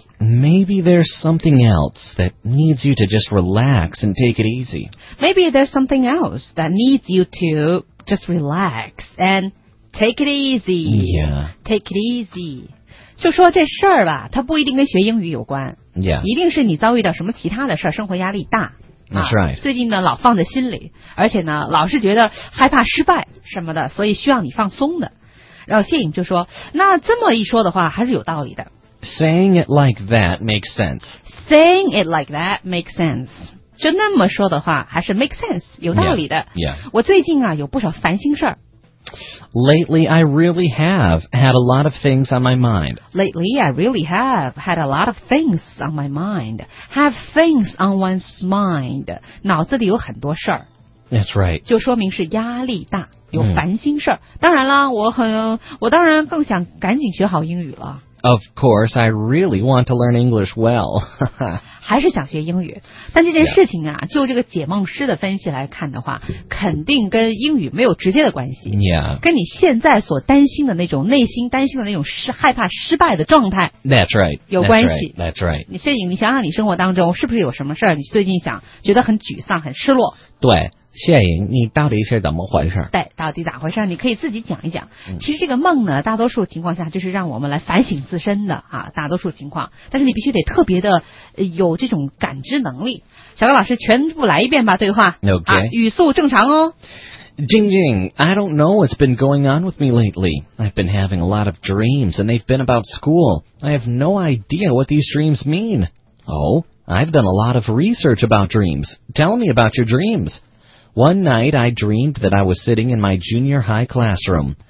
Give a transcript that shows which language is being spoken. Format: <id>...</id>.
<en>Maybe there's something else that needs you to just relax and take it easy. Maybe there's something else that needs you to just relax and take it easy. Yeah. Take it easy.</en> <zh>就说这事儿吧它不一定跟学英语有关。</zh> <en>Yeah.</en> <zh>一定是你遭遇到什么其他的事儿生活压力大。</zh> <en>That's right.</en> <zh>最近呢老放在心里而且呢老是觉得害怕失败什么的所以需要你放松的。然后谢颖就说那这么一说的话还是有道理的</zh> <en>Saying it like that makes sense Saying it like that makes sense</en> <zh>就那么说的话还是</zh> <en>make sense</en> <zh>有道理的</zh> <en>yeah, yeah.</en> <zh>我最近啊有不少烦心事</zh> <en>Lately I really have had a lot of things on my mind Lately I really have had a lot of things on my mind Have things on one's mind</en> <zh>脑子里有很多事</zh> <en>That's right</en> <zh>就说明是压力大有烦心事儿，当然啦，我当然更想赶紧学好英语了。</zh> <en>Of course, I really want to learn English well.</en> <zh>还是想学英语，但这件事情啊，</zh> <en>yeah.</en> <zh>就这个解梦师的分析来看的话，肯定跟英语没有直接的关系。</zh> <en>Yeah.</en> <zh>跟你现在所担心的那种内心担心的那种害怕失败的状态。</zh> <en>That's right.</en> <zh>有关系。</zh> <en>That's right.</en> <zh>你谢颖，你想想你生活当中是不是有什么事儿？你最近想觉得很沮丧、很失落？对。谢颖，你到底是怎么回事？对，到底咋回事？你可以自己讲一讲。其实这个梦呢，大多数情况下就是让我们来反省自身的啊，大多数情况。但是你必须得特别的有这种感知能力。小高老师，全部来一遍吧，对话。</zh> <en>OK、</en> <zh>啊。语速正常哦。</zh> <en>Jing Jing, I don't know what's been going on with me lately. I've been having a lot of dreams, and they've been about school. I have no idea what these dreams mean. Oh, I've done a lot of research about dreams. Tell me about your dreams.One night I dreamed that I was sitting in my junior high classroom.</en>